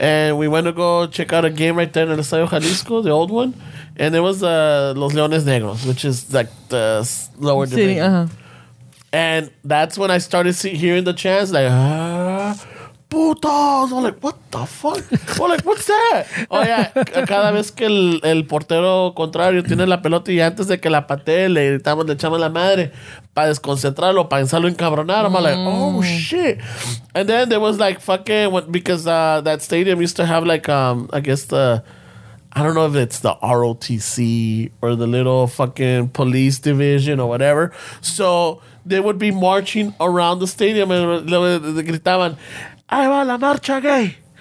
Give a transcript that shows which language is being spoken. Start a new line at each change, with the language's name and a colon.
English: and we went to go check out a game right there in El Estadio Jalisco, the old one, and it was Los Leones Negros, which is like the lower division. City, And that's when I started hearing the chants, like, putos. I'm like, what the fuck? I'm like, what's that? Oh, yeah.
Spanish: Cada vez que el portero contrario tiene la pelota y antes de que la patee, le gritamos, le echamos la madre para desconcentrarlo, para pensarlo encabronar.
English: I'm like, oh, shit. And then there was like, fucking, because that stadium used to have like, I guess the... I don't know if it's the ROTC or the little fucking police division or whatever. So they would be marching around the stadium and they
Spanish: gritaban, ¡Ahí va la marcha gay!